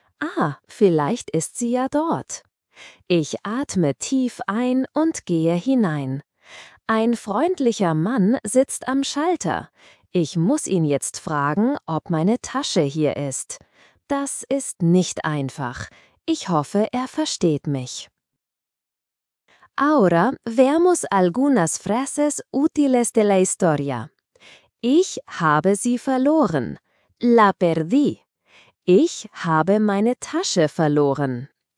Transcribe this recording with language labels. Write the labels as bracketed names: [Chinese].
[German] Ah, vielleicht ist sie ja dort. Ich atme tief ein und gehe hinein. Ein freundlicher Mann sitzt am Schalter. Ich muss ihn jetzt fragen, ob meine Tasche hier ist. Das ist nicht einfach. Ich hoffe, er versteht mich. [Spanish] Ahora veamos algunas frases útiles de la historia. [German] Ich habe sie verloren. [Spanish] La perdí. [German] Ich habe meine Tasche verloren.